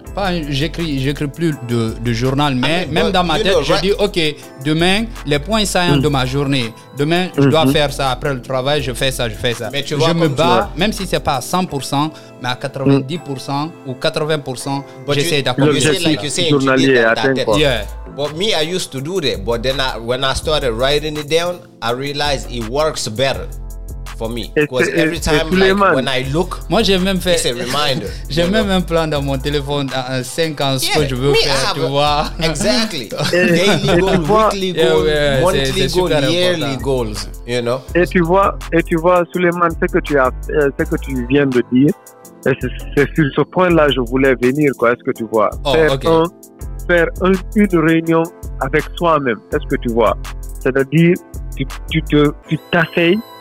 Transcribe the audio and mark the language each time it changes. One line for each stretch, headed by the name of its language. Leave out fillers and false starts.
French: Pas j'écris plus de journal, mais
English: I mean,
French: même dans ma tête, je dis ok, demain les points saillants de ma journée. Demain, je dois faire ça après le travail. Je fais ça. Mais tu vois, je me bats, même si c'est pas à 100%, mais à 90% ou 80%, j'essaie d'accomplir. Le geste like journalier, attends.
English: Yeah. But me, I used to do that, but then when I started writing it down, I realized it works better. For me, because every time like, when I look,
French: moi j'ai même fait,
English: it's a reminder.
French: J'ai même un plan dans mon téléphone à 5 ans ce que je veux faire, tu vois.
English: Exactly. Daily goal, weekly goal, monthly goal, yearly goals, you know.
French: Et tu vois, Suleiman, ce que tu viens de dire, c'est sur ce point-là que je voulais venir, quoi. Est-ce que tu vois? Faire une réunion avec soi-même, est-ce que tu vois? C'est-à-dire, tu t'asseyes.